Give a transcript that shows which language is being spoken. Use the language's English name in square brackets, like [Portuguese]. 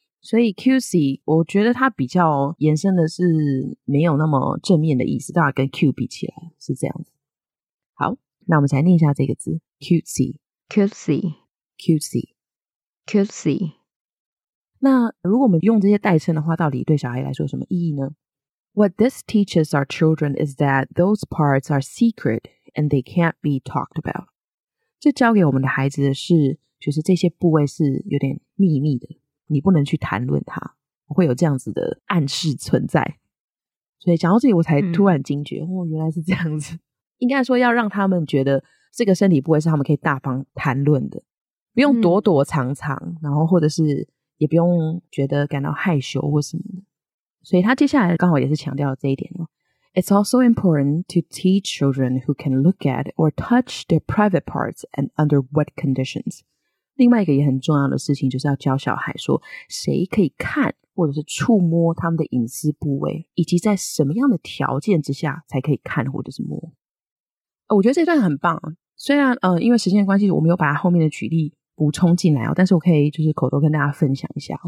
[Chinese] 所以 QC 我觉得它比较延伸的是没有那么正面的意思，当然跟 Q 比起来是这样子。好，那我们再念一下这个字 QC [English] QC QC QC。 [Chinese] 那如果我们用这些代称的话，到底对小孩来说有什么意义呢？ [English] What this teaches our children is that those parts are secret and they can't be talked about。 [Chinese] 这教给我们的孩子的是，就是这些部位是有点秘密的，你不能去谈论它，会有这样子的暗示存在。所以讲到这里我才突然惊觉，哦，原来是这样子。应该说要让他们觉得这个身体部位是他们可以大方谈论的，不用躲躲藏藏，然后或者是也不用觉得感到害羞或什么的。所以他接下来刚好也是强调了这一点。 [English] It's also important to teach children who can look at or touch their private parts and under what conditions。 [Chinese] 另外一个也很重要的事情就是要教小孩说谁可以看或者是触摸他们的隐私部位，以及在什么样的条件之下才可以看或者是摸。我觉得这段很棒，虽然因为时间的关系我没有把后面的举例补充进来，但是我可以就是口头跟大家分享一下。